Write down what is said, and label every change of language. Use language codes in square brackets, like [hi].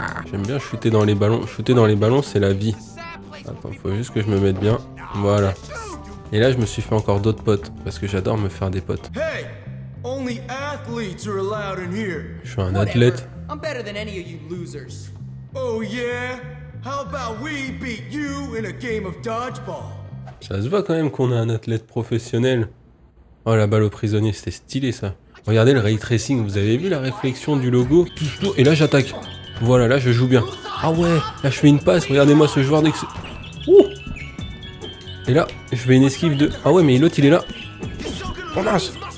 [fr] J'aime bien shooter dans les ballons. Shooter dans les ballons, c'est la vie. Attends, faut juste que je me mette bien. Voilà. Et là, je me suis fait encore d'autres potes, parce que j'adore me faire des potes. [en] Hey! Only athletes are allowed in here. [fr] Je suis un athlète. [en] I'm better than any of you losers. Oh yeah? How about we beat you in a game of dodgeball? [fr] Ça se voit quand même qu'on a un athlète professionnel. Oh, la balle au prisonnier, c'était stylé ça. Regardez le ray tracing, vous avez vu la réflexion du logo? Et là j'attaque. Voilà, là je joue bien. Ah ouais, là je fais une passe, regardez-moi ce joueur d'ex. Ouh! Et là, je fais une esquive de. Ah ouais, mais l'autre il est là. Oh mince!